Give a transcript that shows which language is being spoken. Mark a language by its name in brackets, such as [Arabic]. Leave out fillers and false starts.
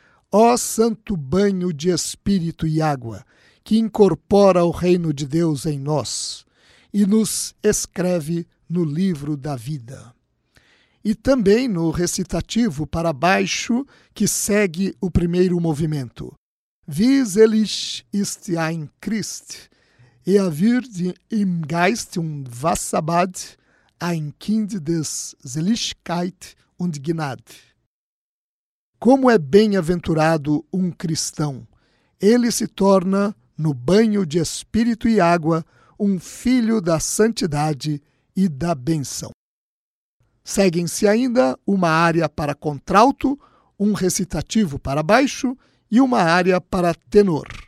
[Portuguese] Ó santo banho de espírito e água, que incorpora o reino de Deus em nós e nos escreve no livro da vida. E também no recitativo para baixo que segue o primeiro movimento. [German] Wieselig ist ein Christ, er wird im Geist und Wasserbad ein Kind des Seligkeit und Gnade. [Portuguese] Como é bem-aventurado um cristão! Ele se torna, no banho de espírito e água, um filho da santidade e da bênção. Seguem-se ainda uma área para contralto, um recitativo para baixo e uma área para tenor.